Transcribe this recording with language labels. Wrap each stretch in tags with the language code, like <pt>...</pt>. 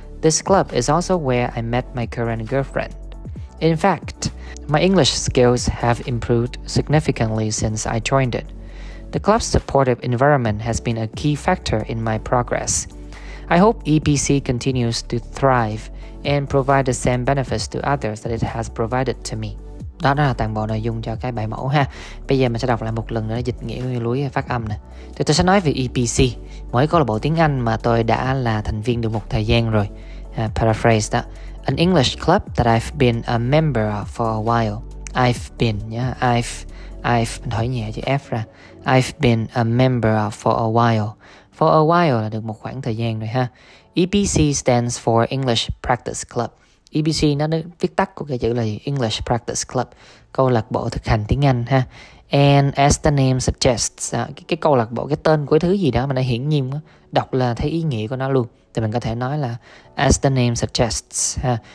<en>This club is also where I met my current girlfriend. In fact, my English skills have improved significantly since I joined it. The club's supportive environment has been a key factor in my progress. I hope EBC continues to thrive and provide the same benefits to others that it has provided to me.</en> <vi>Đó là toàn bộ nội dung cho cái bài mẫu ha. Bây giờ mình sẽ đọc lại một lần nữa, dịch nghĩa lưu ý phát âm nè. Thì tôi sẽ nói về EBC, mỗi câu lạc bộ tiếng Anh mà tôi đã là thành viên được một thời gian rồi. Paraphrase đó.</vi> <en>An English club that I've been a member of for a while. I've been, yeah, I've,</en> <vi>mình hỏi nhẹ chữ F ra.</vi> <en>I've been a member of for a while. For a while</en> <vi>là được một khoảng thời gian rồi ha.</vi> <en>EBC stands for English Practice Club.</en> <vi>EBC nó viết tắt của cái chữ là English Practice Club, câu lạc bộ thực hành tiếng Anh ha.</vi> <en>And as the name suggests,</en> <vi>cái câu lạc bộ, cái tên của cái thứ gì đó mà nó hiển nhiên đọc là thấy ý nghĩa của nó luôn, thì mình có thể nói là</vi> <en>as the name suggests</en> <vi>ha.</vi>